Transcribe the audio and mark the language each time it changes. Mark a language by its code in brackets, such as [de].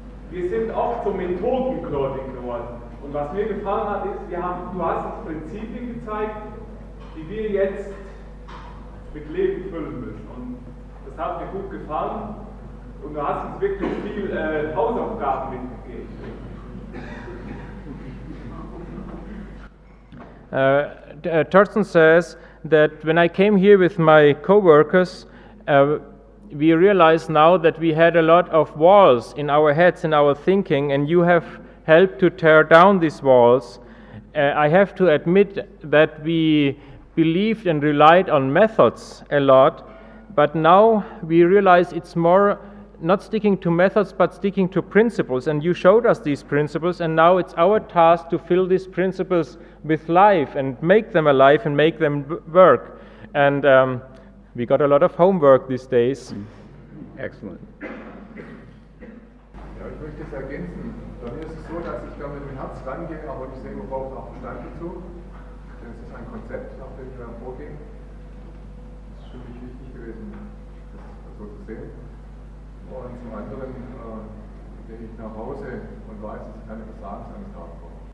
[de] Wir sind oft so methodengläubig geworden. Und was mir gefallen hat, ist, du hast uns Prinzipien gezeigt, die wir jetzt mit Leben füllen müssen. Und das hat mir gut gefallen. Und du hast uns wirklich viel Hausaufgaben mitgegeben. [en] Thorsten says that when I came here with my co-workers, we realize now that we had a lot of walls in our heads, in our thinking, and you have helped to tear down these walls. I have to admit that we believed and relied on methods a lot, but now we realize it's more not sticking to methods, but sticking to principles, and you showed us these principles, and now it's our task to fill these principles with life and make them alive and make them work. And we got a lot of homework these days. Excellent. [de] Ja, ich möchte es ergänzen. Bei mir ist es so, dass ich da mit dem Herz rangehe, aber ich sehe, wir brauchen auch Verstand dazu. Denn es ist ein Konzept, nach dem wir vorgehen. Das ist für mich wichtig gewesen, das so zu sehen. Und zum anderen gehe ich nach Hause und weiß, dass ich keine Versagen sein darf.